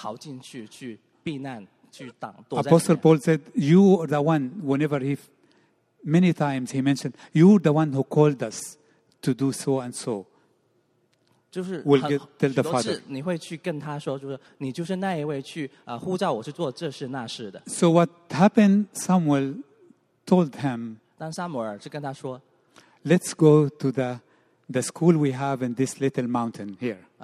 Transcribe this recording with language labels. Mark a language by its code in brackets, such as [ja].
[zh] 无论发生什么事情，总有一个地方，父亲的心肠，将让我们可以去逃进去，去避难，去躲在里面。 [en] Apostle Paul said, you are the one, whenever he, many times he mentioned, you are the one who called us to do so and so. [zh] 就是很多次你会去跟他说，就是你就是那一位去呼召我去做这事那事的。So [en] what happened? Samuel told him. [zh] 但撒母耳就跟他说 [en] ，Let's go to the school we have in this little mountain here.